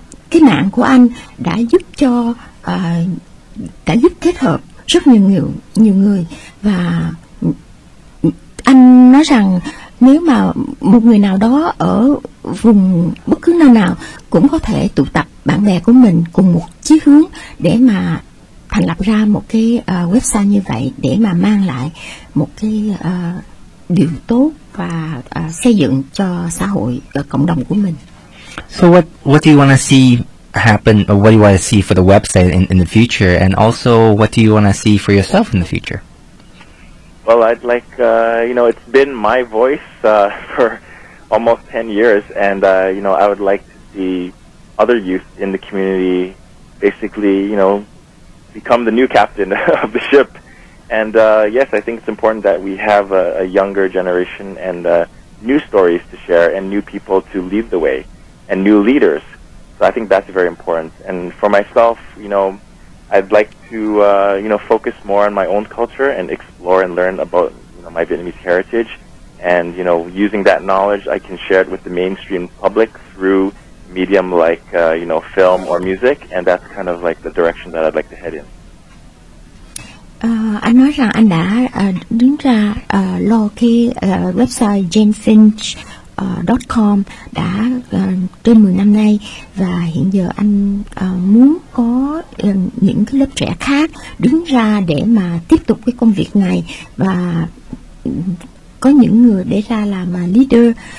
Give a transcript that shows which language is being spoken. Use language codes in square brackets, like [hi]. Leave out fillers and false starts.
[vi] Cái mạng của anh đã giúp cho đã giúp kết hợp rất nhiều người, và anh nói rằng nếu mà một người nào đó ở vùng bất cứ nơi nào cũng có thể tụ tập bạn bè của mình cùng một chí hướng để mà thành lập ra một cái website như vậy, để mà mang lại một cái điều tốt và xây dựng cho xã hội, cộng đồng của mình. [en] So what do you want to see happen, or what do you want to see for the website in the future, and also what do you want to see for yourself in the future? Well, I'd like, you know, it's been my voice for almost 10 years, and, you know, I would like to see other youth in the community basically, you know, become the new captain of the ship. And, yes, I think it's important that we have a younger generation and new stories to share and new people to lead the way and new leaders. So I think that's very important. And for myself, you know, I'd like to, you know, focus more on my own culture and explore and learn about, you know, my Vietnamese heritage. And, you know, using that knowledge, I can share it with the mainstream public through medium like, you know, film or music. And that's kind of like the direction that I'd like to head in. [vi] Anh nói rằng anh đã đứng ra lo cái website janefinch.com đã trên 10 năm nay, và hiện giờ anh muốn có những cái lớp trẻ khác đứng ra để mà tiếp tục cái công việc này, và có những người để ra làm leader